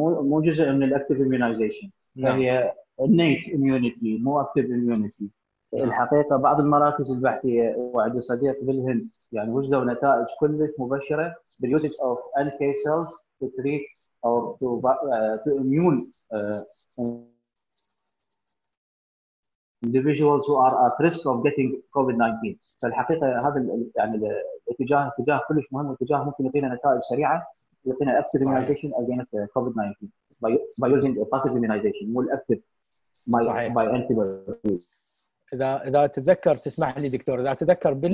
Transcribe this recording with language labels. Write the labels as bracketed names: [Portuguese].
[Arabic] مو جزء من الactive immunization. هي [English] innate immunity, [Arabic] مو [English] active immunity. [Arabic] الحقيقة بعض المراكز البحثية وعد صديق بالهند يعني وجدوا نتائج كلش مبشرة بال [English] usage of NK cells to treat or to immune individuals who are at risk of getting COVID-19. [Arabic] فالحقيقة هذا يعني الاتجاه كلش مهم, واتجاه ممكن يعطينا نتائج سريعة يعطينا [English] active immunization against COVID-19 by using passive immunization [Arabic] مو [English] active by antibodies. [Arabic] إذا تتذكر تسمح لي دكتور, إذا تتذكر